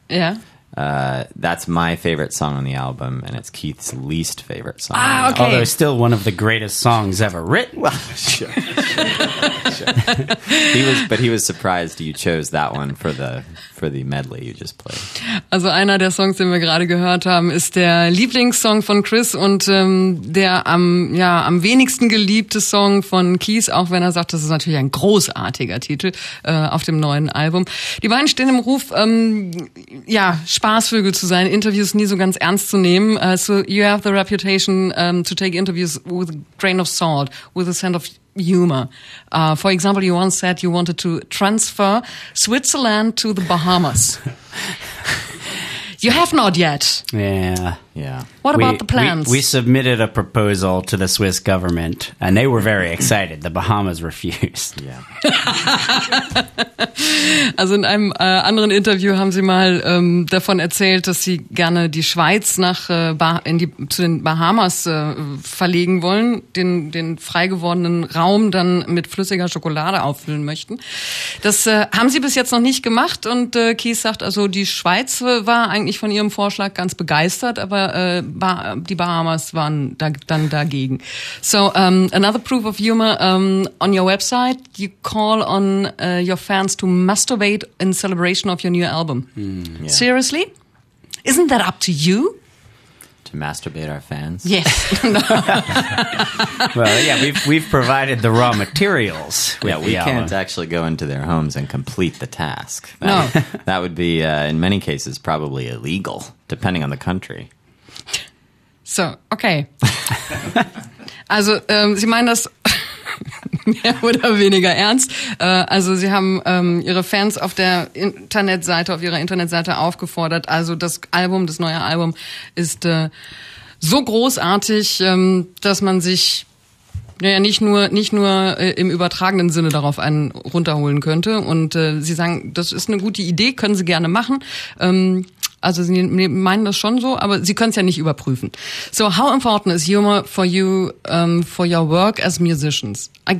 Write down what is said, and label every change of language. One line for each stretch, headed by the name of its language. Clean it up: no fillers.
English: Yeah. That's my favorite song on the album, and it's Keith's least favorite song. Ah, okay. Although it's still one of the greatest songs ever written. Well, sure. He was surprised you chose that one for the medley you just played.
German: Also einer der Songs, den wir gerade gehört haben, ist der Lieblingssong von Chris und der am wenigsten geliebte Song von Keith, auch wenn er sagt, das ist natürlich ein großartiger Titel auf dem neuen Album. Die beiden stehen im Ruf, Spaßvögel zu sein, Interviews nie so ganz ernst zu nehmen.
English: So you have the reputation to take interviews with a grain of salt, with a sense of humor. For example, you once said you wanted to transfer Switzerland to the Bahamas. You have not yet. Yeah. What about the plans? We submitted a proposal to the Swiss government, and they were very excited. The Bahamas refused. Yeah.
German: Also in einem anderen Interview haben Sie mal davon erzählt, dass Sie gerne die Schweiz zu den Bahamas verlegen wollen, den frei gewordenen Raum dann mit flüssiger Schokolade auffüllen möchten. Das haben Sie bis jetzt noch nicht gemacht und Keith sagt, also die Schweiz war eigentlich von Ihrem Vorschlag ganz begeistert, aber die Bahamas waren dann dagegen.
English: So, another proof of humor, on your website, you call on your fans to masturbate in celebration of your new album. Mm, yeah. Seriously? Isn't that up to you? To masturbate our fans? Yes. Well, yeah, we've provided the raw materials. Yeah, we can't actually go into their homes and complete the task. No. That would be, in many cases, probably illegal, depending on the country. So, okay.
German: Also, Sie meinen das mehr oder weniger ernst. Also, Sie haben Ihre Fans auf der Internetseite, auf Ihrer Internetseite aufgefordert. Also, das neue Album ist so großartig, dass man sich, naja, nicht nur im übertragenen Sinne darauf einen runterholen könnte. Und Sie sagen, das ist eine gute Idee, können Sie gerne machen. Also Sie meinen das schon so, aber Sie können es ja nicht überprüfen.
English: So, how important is humor for you, for your work as musicians?